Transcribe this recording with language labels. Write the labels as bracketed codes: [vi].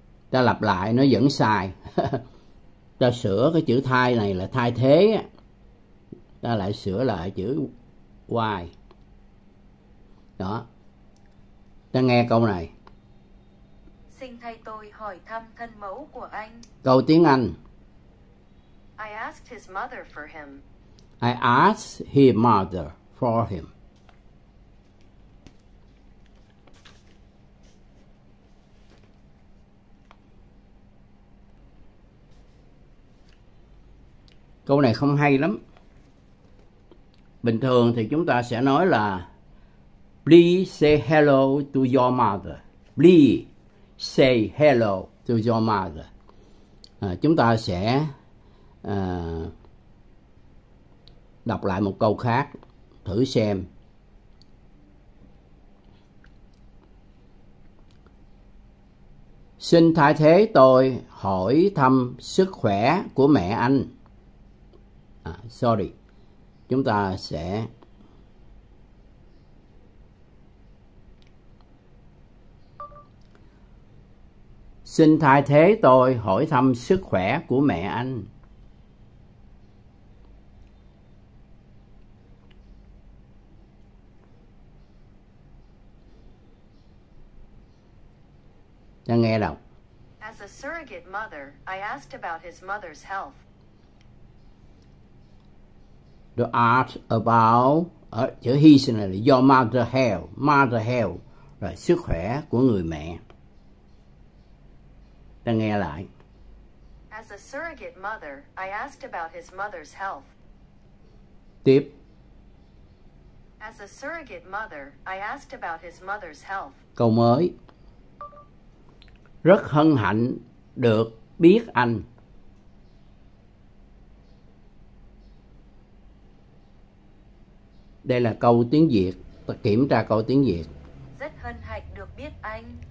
[vi] Ta lặp lại nó vẫn sai. Ta sửa cái chữ thay này là thay thế. Ta lại sửa lại chữ why. Đó. Ta nghe câu này. Xin thay tôi hỏi thăm thân mẫu của anh. Câu tiếng Anh. [en] I asked his mother for him. I asked his mother for him. [vi] Câu này không hay lắm. Bình thường thì chúng ta sẽ nói là [en] please say hello to your mother. Please say hello to your mother. [vi] Chúng ta sẽ đọc lại một câu khác thử xem. Xin thay thế tôi hỏi thăm sức khỏe của mẹ anh. Chúng ta sẽ xin thay thế tôi hỏi thăm sức khỏe của mẹ anh. Đang nghe đọc. [en] As a surrogate mother, I asked about his mother's health. [vi] The art about chữ his là [en] your mother health, [vi] rồi sức khỏe của người mẹ. Đang nghe lại. [en] As a surrogate mother, I asked about his mother's health. [vi] Tiếp. [en] As a surrogate mother, I asked about his mother's health. [vi] Câu mới. Rất hân hạnh được biết anh. Đây là câu tiếng Việt. Ta kiểm tra câu tiếng Việt. Rất hân hạnh được biết anh.